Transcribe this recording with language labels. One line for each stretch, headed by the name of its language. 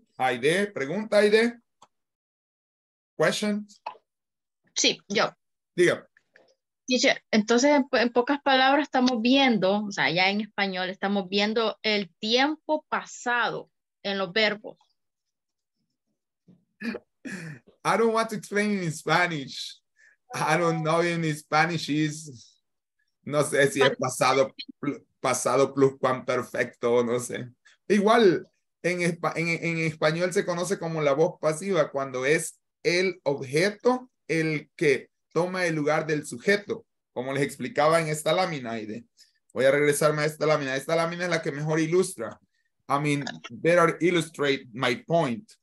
Spanish: Aide, pregunta Aide.
English: Questions.
Spanish: Sí, yo. Diga. Dice, entonces en pocas palabras estamos viendo, o sea, ya en español estamos viendo el tiempo pasado en los verbos.
English: I don't want to explain in Spanish. I don't know in Spanish is,
Spanish: no sé si es pasado, pasado pluscuamperfecto, no sé. Igual, en español se conoce como la voz pasiva cuando es el objeto el que toma el lugar del sujeto, como les explicaba en esta lámina, Aide. Voy a regresarme a esta lámina. Esta lámina es la que mejor ilustra.
English: I mean, better illustrate my point.